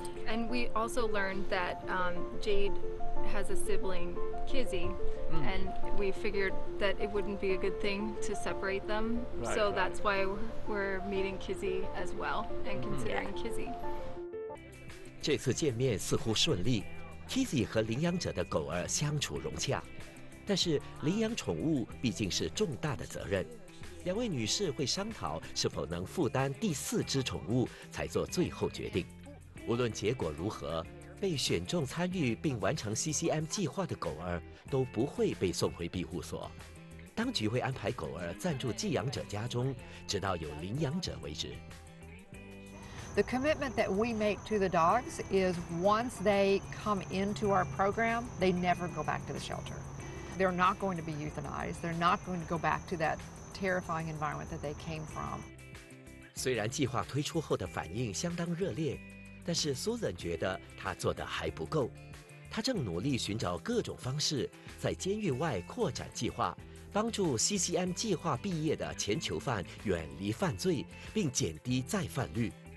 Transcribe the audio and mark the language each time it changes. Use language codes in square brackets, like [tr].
[en] And we also learned that Jade has a sibling, Kizzy. Mm. And we figured that it wouldn't be a good thing to separate them. Right, so right. That's why we're meeting Kizzy as well and considering Kizzy. [zh] 这次见面似乎顺利。 Kizzy 和领养者的狗儿相处融洽，但是领养宠物毕竟是重大的责任，两位女士会商讨是否能负担第四只宠物才做最后决定。无论结果如何，被选中参与并完成 CCM 计划的狗儿都不会被送回庇护所，当局会安排狗儿暂住寄养者家中，直到有领养者为止。 [en] The commitment that we make to the dogs is once they come into our program, they never go back to the shelter. They're not going to be euthanized. They're not going to go back to that terrifying environment that they came from. [zh] 虽然计划推出后的反应相当热烈，但是 Susan 觉得她做得还不够。她正努力寻找各种方式，在监狱外扩展计划。帮助 CCM 计划毕业的前囚犯远离犯罪，并减低再犯率。